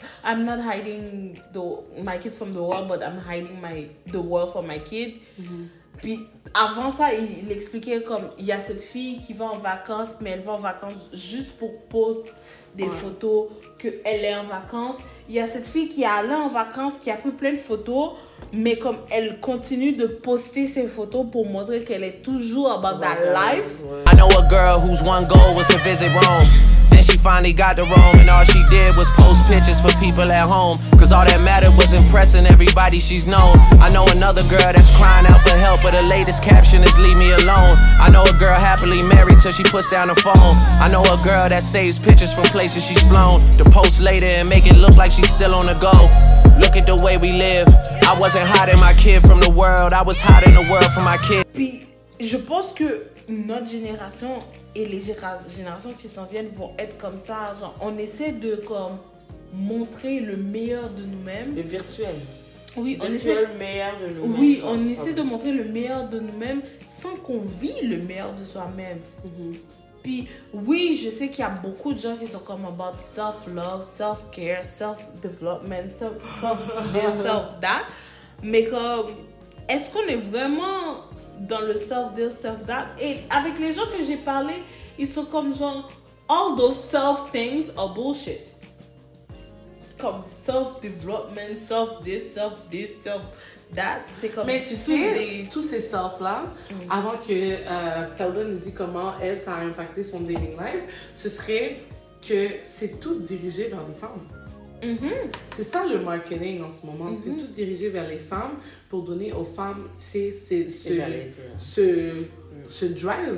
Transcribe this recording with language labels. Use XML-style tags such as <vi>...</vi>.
<en>I'm not hiding my kids from the world, but I'm hiding the world for my kid. Mm-hmm.</en> <fr>Puis avant ça, il expliquait comme il y a cette fille qui va en vacances, mais elle va en vacances juste pour poster des photos qu'elle est en vacances. Il y a cette fille qui est allée en vacances, qui a pris plein de photos, mais comme elle continue de poster ses photos pour montrer qu'elle est toujours</fr> <en>about that life. I know a girl whose one goal was to visit Rome. Then she finally got to Rome and all she did was post pictures for people at home. Cause all that mattered was impressing everybody she's known. I know another girl that's crying out for help, but the latest caption is leave me alone. I know a girl happily married till she puts down the phone. I know a girl that saves pictures from places she's flown to post later and make it look like she's still on the go. Look at the way we live. I wasn't hiding my kid from the world. I was hiding the world from my kid.</en> <fr>Puis, je pense que notre génération et les générations qui s'en viennent vont être comme ça. Genre, on essaie de comme montrer le meilleur de nous-mêmes. Le virtuel. Oui, virtuel, meilleur de nous-mêmes. Oui, on essaie de montrer le meilleur de nous-mêmes sans qu'on vit le meilleur de soi-même. Mm-hmm. Puis, oui, je sais qu'il y a beaucoup de gens qui sont comme</fr> <en>about self-love, self-care, self-development, self-that.</en> <fr>Mais comme, est-ce qu'on est vraiment dans le self-deal, self-that? Et avec les gens que j'ai parlé, ils sont comme genre,</fr> <en>all those self-things are bullshit.</en> <fr>Comme self-development, self-this, self-this, self-that. C'est comme... Mais tu sais, tous ces self-là, avant que Taoudou nous dise comment elle, ça a impacté son dating life, ce serait que c'est tout dirigé vers les femmes. Mm-hmm. C'est ça le marketing en ce moment. Mm-hmm. C'est tout dirigé vers les femmes pour donner aux femmes ce drive.</fr>